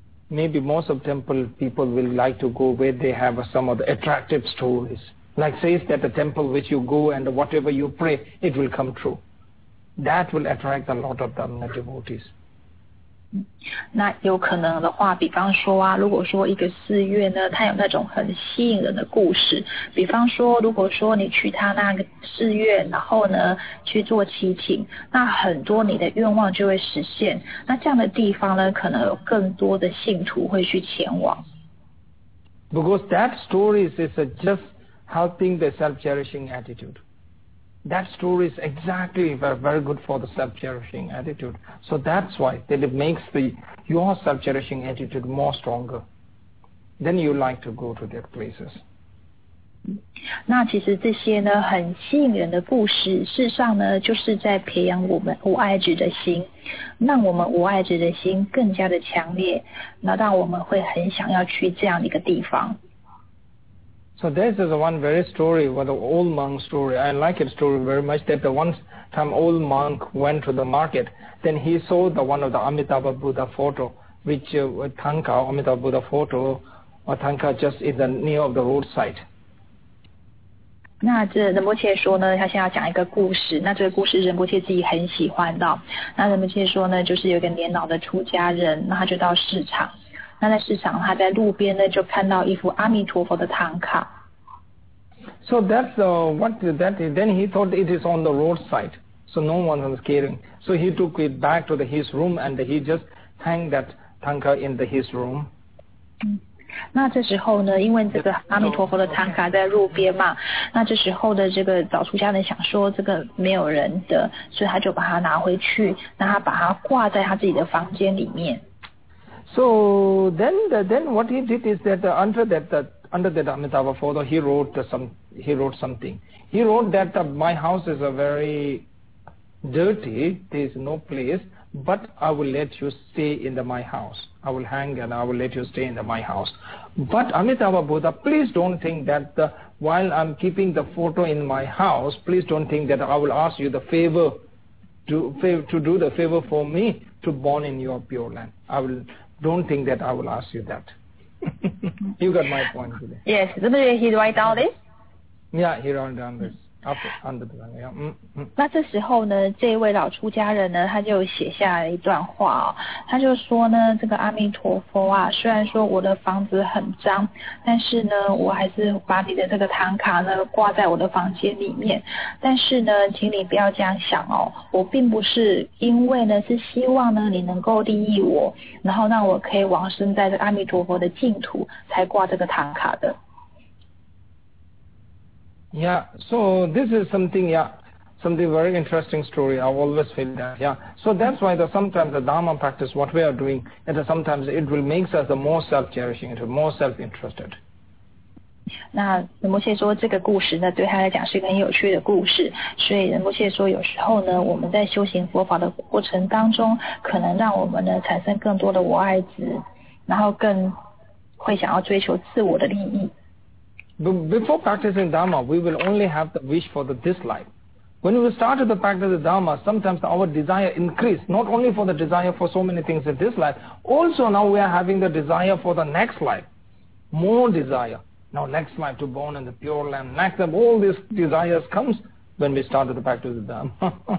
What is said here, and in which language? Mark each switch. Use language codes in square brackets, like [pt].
[en] Maybe most of temple people will like to go where they have some of the attractive stories. Like says that the temple which you go and whatever you pray, it will come true. That will attract a lot of the devotees. [zh] 那有可能的话，比方说啊，如果说一个寺院呢，它有那种很吸引人的故事，比方说，如果说你去它那个寺院，然后呢去做祈请，那很多你的愿望就会实现。那这样的地方呢，可能有更多的信徒会去前往。 [en] Because that story is just helping the self-cherishing attitude. That story is exactly very good for the self-cherishing attitude. So that's why that it makes your self-cherishing attitude more stronger. Then you like to go to that places. [zh] 那其实这些呢很吸引人的故事，事实上呢就是在培养我们无爱执的心，让我们无爱执的心更加的强烈，那让我们会很想要去这样一个地方。 [en] So this is one very story, the old monk story. I like it story very much. That the one time old monk went to the market, then he saw the one of the Amitabha Buddha photo, which Thangka, Amitabha Buddha photo, or Thangka just is near of the roadside. [zh] 那这仁波切说呢，他现在讲一个故事。那这个故事仁波切自己很喜欢的。那仁波切说呢，就是有一个年老的出家人，那他就到市场。那在市场，他在路边呢就看到一幅阿弥陀佛的唐卡。 [en] So that's what that is. Then he thought it is on the roadside, so no one was caring. So he took it back to his room and he just hanged that tanka in his room. [zh] 那这时候呢，因为这个阿弥陀佛的唐卡在路边嘛，那这时候的这个早出家人想说这个没有人的，所以他就把它拿回去，那他把它挂在他自己的房间里面。 [en] So then, then what he did is that under that Amitabha photo, he wrote something. He wrote that my house is a very dirty. There is no place, but I will let you stay in the my house. I will hang and I will let you stay in the my house. But Amitabha Buddha, please don't think that while I'm keeping the photo in my house, please don't think that I will ask you the favor to do the favor for me to born in your pure land. Don't think that I will ask you that. You got my point today. Yes, didn't he write down this? Yeah, he wrote down this. Up under the ground, yeah. [zh] 那这时候呢，这位老出家人呢，他就写下了一段话哦。他就说呢，这个阿弥陀佛啊，虽然说我的房子很脏，但是呢，我还是把你的这个唐卡呢挂在我的房间里面。但是呢，请你不要这样想哦，我并不是因为呢是希望呢你能够利益我，然后让我可以往生在这个阿弥陀佛的净土才挂这个唐卡的。 [en] Yeah, so this is something very interesting story. I always feel that, yeah. So that's why sometimes the Dharma practice, what we are doing, and sometimes it will make us the more self-cherishing, more self-interested. [zh] 那仁波切说这个故事呢，对他来讲是一个很有趣的故事。所以仁波切说，有时候呢，我们在修行佛法的过程当中，可能让我们呢产生更多的我爱执，然后更会想要追求自我的利益。 [en] Before practicing Dharma, we will only have the wish for this life. When we start to practice the Dharma, sometimes our desire increases, not only for the desire for so many things in this life, also now we are having the desire for the next life, more desire. Now next life to born in the pure land, next life, all these desires comes when we start to practice the Dharma.